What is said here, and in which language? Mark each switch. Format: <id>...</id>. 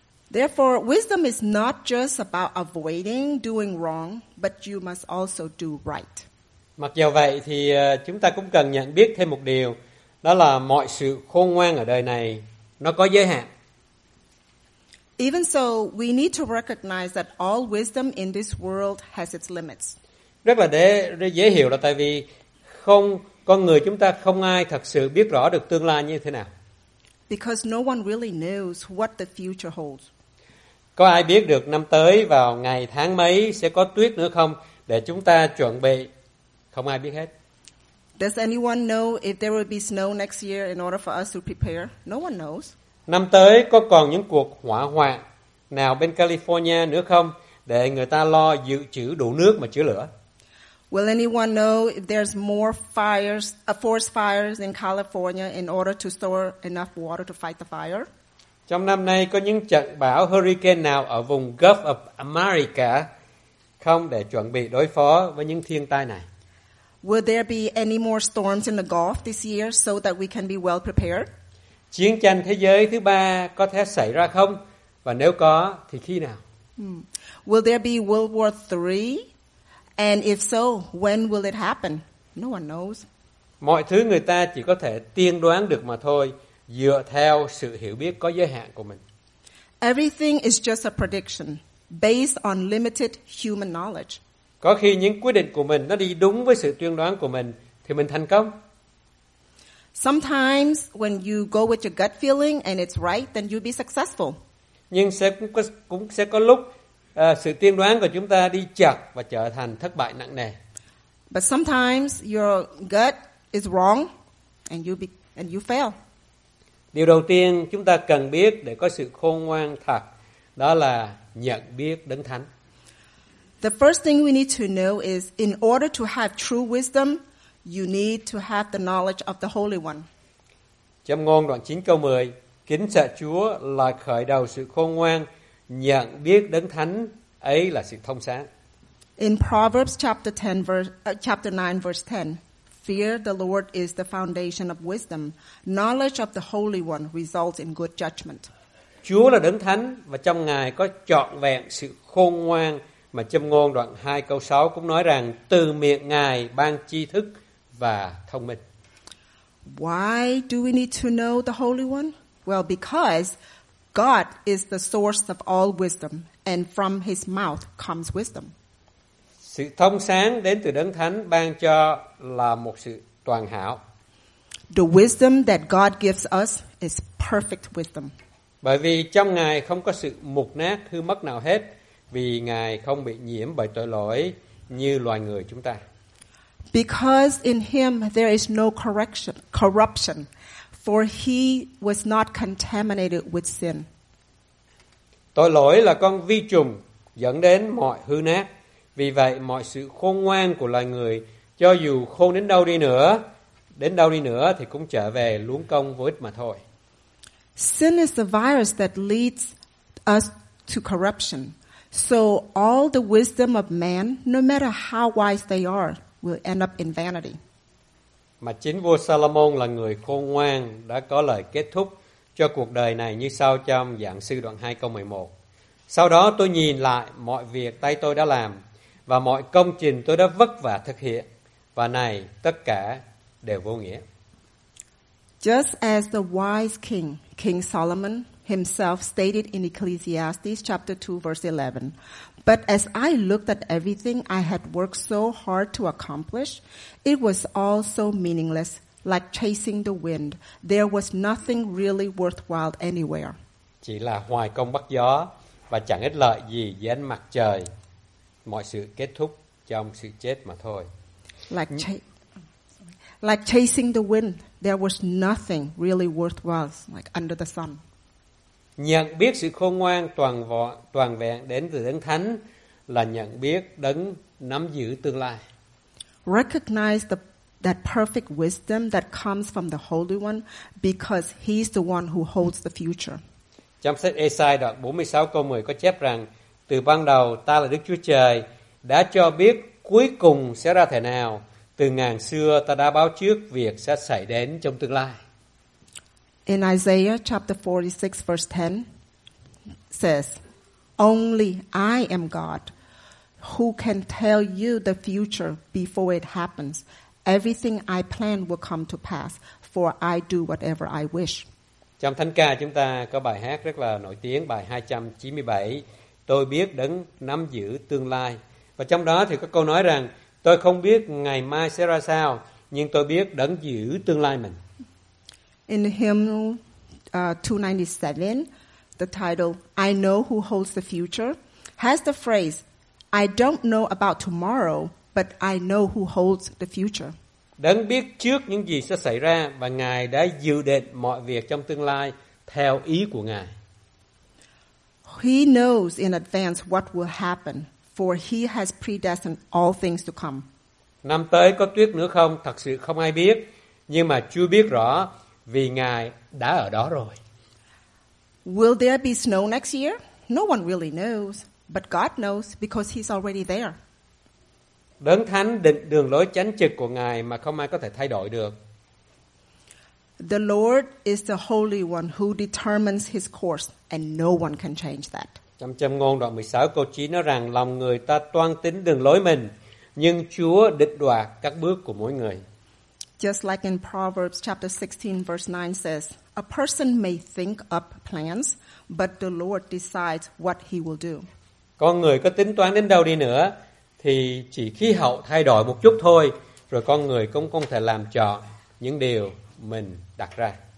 <en>Therefore, wisdom is not just about avoiding doing wrong, but you must also do right.</en> <vi>Mặc dù vậy thì chúng ta cũng cần nhận biết thêm một điều, đó là mọi sự khôn ngoan ở đời này nó có giới hạn.</vi> <en>Even so, we need to recognize that all wisdom in this world has its limits.</en> <vi>Rất là dễ hiểu là tại vì không con người chúng ta không ai thật sự biết rõ được tương lai như thế nào.</vi> <en>Because no one really knows what the future holds.</en> <vi>Có ai biết được năm tới vào ngày tháng mấy sẽ có tuyết nữa không để chúng ta chuẩn bị? Không ai biết hết.</vi> <en>Does anyone know if there will be snow next year in order for us to prepare? No one knows.</en> <vi>Năm tới có còn những cuộc hỏa hoạn nào bên California nữa không để người ta lo dự trữ đủ nước mà chữa lửa?</vi> <en>Will anyone know if there's more fires, forest fires in California in order to store enough water to fight the fire?</en> <vi>Trong năm nay có những trận bão hurricane nào ở vùng Gulf of America không để chuẩn bị đối phó với những thiên tai này?</vi> <en>Will there be any more storms in the Gulf this year so that we can be well prepared?</en> <vi>Chiến tranh thế giới thứ ba có thể xảy ra không? Và nếu có thì khi nào?</vi> <en>Will there be World War III? And if so, when will it happen? No one knows.</en> <vi>Mọi thứ người ta chỉ có thể tiên đoán được mà thôi, dựa theo sự hiểu biết có giới hạn của mình.</vi> <en>Everything is just a prediction based on limited human knowledge.</en> <vi>Có khi những quyết định của mình nó đi đúng với sự tiên đoán của mình thì mình thành công.</vi> <en>Sometimes when you go with your gut feeling and it's right, then you'll be successful.</en> <vi>Nhưng sẽ có lúc sự tiên đoán của chúng ta đi chật và trở thành thất bại nặng nề.</vi> <en>But sometimes your gut is wrong and you fail.</en> <vi>Điều đầu tiên chúng ta cần biết để có sự khôn ngoan thật đó là nhận biết Đấng Thánh.</vi> <en>The first thing we need to know is in order to have true wisdom, you need to have the knowledge of the Holy One.</en> <vi>Châm ngôn đoạn 9 câu 10, kính sợ Chúa là khởi đầu sự khôn ngoan, nhận biết Đấng Thánh ấy là sự thông sáng.</vi> <en>In Proverbs chapter 9 verse 10, fear the Lord is the foundation of wisdom. Knowledge of the Holy One results in good judgment.</en> <vi>Chúa là Đấng Thánh và trong Ngài có trọn vẹn sự khôn ngoan. Mà châm ngôn đoạn 2 câu 6 cũng nói rằng từ miệng Ngài ban tri thức và thông minh.</vi> <en>Why do we need to know the Holy One? Well, because God is the source of all wisdom and from his mouth comes wisdom.</en> <vi>Sự thông sáng đến từ Đấng Thánh ban cho là một sự toàn hảo.</vi> <en>The wisdom that God gives us is perfect wisdom.</en> <vi>Bởi vì trong Ngài không có sự mục nát hư mất nào hết, vì Ngài không bị nhiễm bởi tội lỗi như loài người chúng ta.</vi> <en>Because in him there is no corruption, for he was not contaminated with sin.</en> <vi>Tội lỗi là con vi trùng dẫn đến mọi hư nát. Vì vậy mọi sự khôn ngoan của loài người, cho dù khôn đến đâu đi nữa, thì cũng trở về luống công vô ích mà thôi.</vi> <en>Sin is the virus that leads us to corruption. So all the wisdom of man, no matter how wise they are, will end up in vanity.</en> <vi>Mà chính vua Solomon là người khôn ngoan đã có lời kết thúc cho cuộc đời này như sau trong Giảng Sư đoạn 2 câu 11. Sau đó tôi nhìn lại mọi việc tay tôi đã làm và mọi công trình tôi đã vất vả thực hiện, và này tất cả đều vô nghĩa.</vi> <en>Just as the wise king, King Solomon himself stated in Ecclesiastes chapter 2 verse 11, but as I looked at everything I had worked so hard to accomplish, it was all so meaningless, like chasing the wind. There was nothing really worthwhile anywhere.</en> <vi>Chỉ là hoài công bắc gió và chẳng ích lợi gì dưới ánh mặt trời. Mọi sự kết thúc trong sự chết mà thôi.</vi> <en>Like chasing the wind, there was nothing really worthwhile like under the sun.</en> <vi>Nhận biết sự khôn ngoan toàn vẹn đến từ Đấng Thánh là nhận biết Đấng nắm giữ tương lai.</vi> <en>Recognize that perfect wisdom that comes from the Holy One, because he's the one who holds the future.</en> <vi>Trong sách Esai đoạn 46 câu 10 có chép rằng: từ ban đầu ta là Đức Chúa Trời đã cho biết cuối cùng sẽ ra thế nào, từ ngàn xưa ta đã báo trước việc sẽ xảy đến trong tương lai.</vi> <en>In Isaiah chapter 46 verse 10 says, only I am God who can tell you the future before it happens. Everything I plan will come to pass, for I do whatever I wish.</en> <vi>Trong thánh ca chúng ta có bài hát rất là nổi tiếng, bài 297, tôi biết Đấng nắm giữ tương lai. Và trong đó thì có câu nói rằng, tôi không biết ngày mai sẽ ra sao, nhưng tôi biết Đấng giữ tương lai mình.</vi> <en>In hymn 297, the title, I know who holds the future, has the phrase, I don't know about tomorrow, but I know who holds the future.</en> <vi>Đấng biết trước những gì sẽ xảy ra, và Ngài đã dự định mọi việc trong tương lai theo ý của Ngài.</vi> <en>He knows in advance what will happen, for he has predestined all things to come.</en> <vi>Năm tới có tuyết nữa không? Thật sự không ai biết, nhưng mà Chúa biết rõ, vì Ngài đã ở đó rồi.</vi> <en>Will there be snow next year? No one really knows, but God knows because he's already there.</en> <vi>Đấng Thánh định đường lối chánh trực của Ngài mà không ai có thể thay đổi được.</vi> <en>The Lord is the Holy One who determines his course, and no one can change that.</en> <vi>Trong Châm Ngôn đoạn 16 câu 9 nói rằng lòng người ta toan tính đường lối mình, nhưng Chúa định đoạt các bước của mỗi người.</vi> <en>Just like in Proverbs chapter 16 verse 9 says, a person may think up plans, but the Lord decides what he will do.</en> <vi>Con người có tính toán đến đâu đi nữa thì chỉ khí hậu thay đổi một chút thôi, rồi con người cũng không thể làm chọn những điều mình đặt ra.</vi>